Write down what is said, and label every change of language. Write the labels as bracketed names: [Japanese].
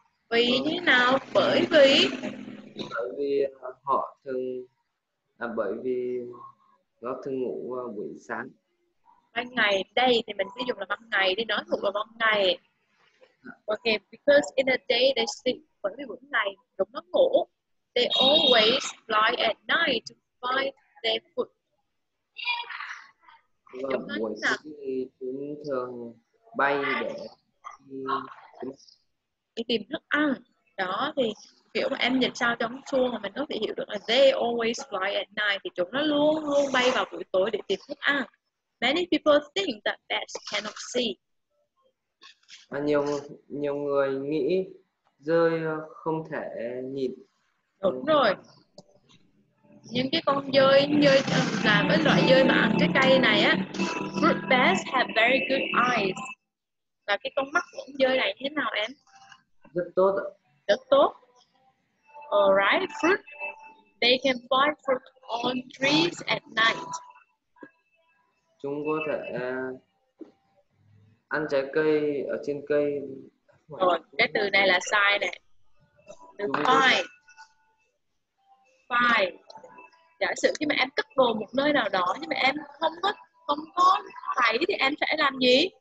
[Vietnamese] Vì như nào? Bởi vì họ thường, bởi vì nó thường ngủ buổi sáng. Ban ngày, đây thì mình sử dụng là ban ngày đi, nói thuộc là ban ngày. [English] Ok, because in a day they sleep, [Vietnamese] bởi vì buổi ngày chúng nó ngủ. [English] They always fly at night to find their food. [Vietnamese] Chúng thường bay để đi tìm thức ăn. Đó thì kiểu mà em nhìn sao trong xuông mà mình có thể hiểu được là [English] they always fly at night, [Vietnamese] thì chúng nó luôn luôn bay vào buổi tối để tìm thức ăn. [English] Many people think that bats cannot see. [Vietnamese] Nhiều người nghĩ dơi không thể nhìn. Đúng rồi. Những cái con dơi là với loại dơi mà ăn trái cây này á, [English] fruit bats have very good eyes. [Vietnamese] Là cái con mắt của con dơi này thế nào em? Rất tốt. Rất tốt. [English] Alright, fruit. They can find fruit on trees at night. [Vietnamese] Chúng có thể ăn trái cây ở trên cây. Rồi, cái từ này là sai nè. Find. giả sử khi mà em cất đồ một nơi nào đó nhưng mà em không có thấy thì em sẽ làm gì?